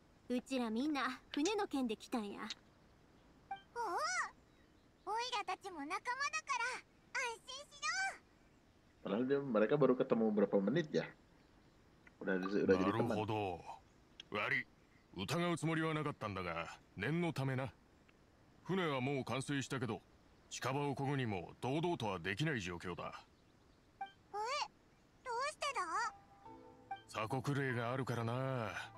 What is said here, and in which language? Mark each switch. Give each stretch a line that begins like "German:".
Japanese: うちらみんな船の件で来たんや。おお、オイラたちも仲間だから安心しろ。あらでも、
Indonesian: mereka baru ketemu berapa menit ya? Udah
Japanese: なるほど。悪い。疑うつもりはなかったんだが、念のためな。船はもう完成したけど、近場を漕ぐにも堂々とはできない状況だ。え、どうしてだ？鎖国令があるからな。